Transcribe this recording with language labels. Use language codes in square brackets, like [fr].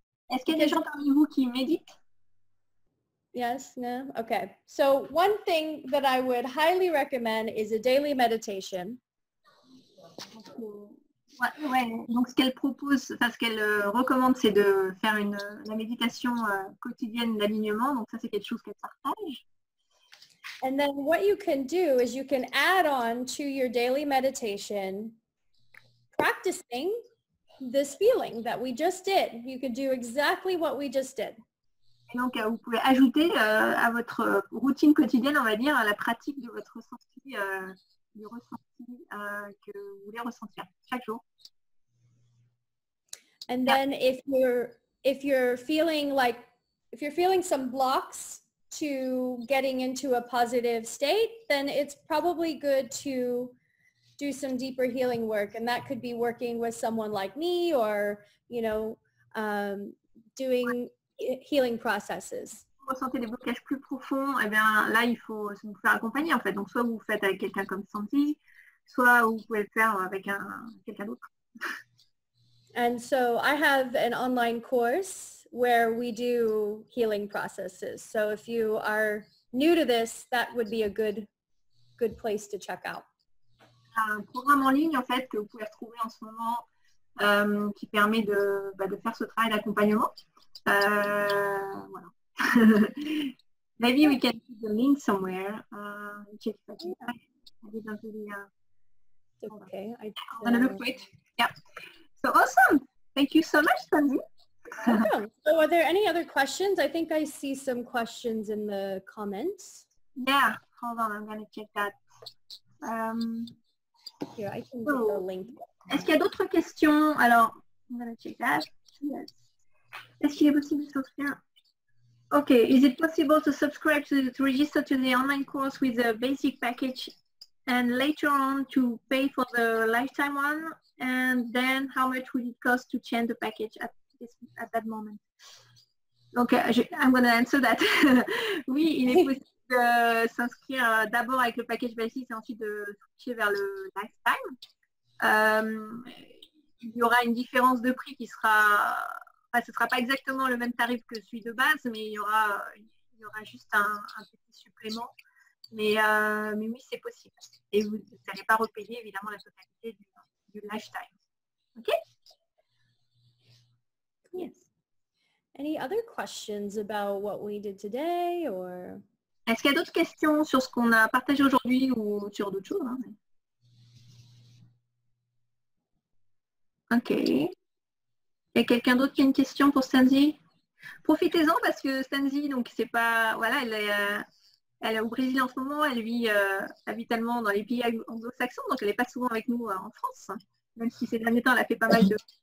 [fr] Est-ce qu'il y a des gens parmi vous qui méditent? [en] Yes, no, okay. So one thing that I would highly recommend is a daily meditation. [fr] Ouais, donc ce qu'elle propose, enfin ce qu'elle recommande, c'est de faire la méditation quotidienne d'alignement. Donc ça, c'est quelque chose qu'elle partage. [en] And then what you can do is you can add on to your daily meditation, practicing this feeling that we just did. You could do exactly what we just did. [fr] Et donc, vous pouvez ajouter à votre routine quotidienne, on va dire, à la pratique de votre ressenti, du ressenti que vous voulez ressentir chaque jour. [en] And then if you're feeling some blocks to getting into a positive state, then it's probably good to do some deeper healing work. And that could be working with someone like me or, you know, doing healing processes. [fr] Si vous ressentez des blocages plus profonds, eh bien là, il faut vous faire accompagner, en fait. Donc, soit vous faites avec quelqu'un comme Stanzie, soit vous pouvez le faire avec quelqu'un d'autre. [en] And so I have an online course where we do healing processes. So if you are new to this, that would be a good place to check out. [fr] Un programme en ligne, en fait, que vous pouvez retrouver en ce moment, qui permet de faire ce travail d'accompagnement. Voilà. [en] Maybe we can put the link somewhere. Check it out. Okay. I'm gonna look for it. Yeah. So awesome. Thank you so much, Stanzie. Okay. So are there any other questions? I think I see some questions in the comments. Yeah, hold on, I'm gonna check that. Here, I can get the link. [fr] Est-ce qu'il y a d'autres questions? Alors, [en] I'm gonna check that. Yes. [fr] Est-ce qu'il est possible de s'inscrire? [en] Okay, is it possible to subscribe to register to the online course with a basic package and later on to pay for the lifetime one? And then how much would it cost to change the package at that moment. [fr] Donc, [en] I'm going to answer that. [fr] Oui, il est possible de s'inscrire d'abord avec le package basique et ensuite de switcher vers le lifetime. Il y aura une différence de prix qui sera... Enfin, ce ne sera pas exactement le même tarif que celui de base, mais il y aura juste un petit supplément. Mais oui, c'est possible. Et vous n'allez pas repayer, évidemment, la totalité du lifetime. [en] OK? Yes. Any other questions about what we did today or... [fr] Est-ce qu'il y a d'autres questions sur ce qu'on a partagé aujourd'hui ou sur d'autres choses, hein? [en] Okay. [fr] Il y a quelqu'un d'autre qui a une question pour Stanzie? Profitez-en parce que Stanzie, donc c'est pas... Voilà, elle est au Brésil en ce moment, elle vit habituellement dans les pays anglo-saxons, donc elle n'est pas souvent avec nous en France, même si ces derniers temps, elle a fait pas mal de...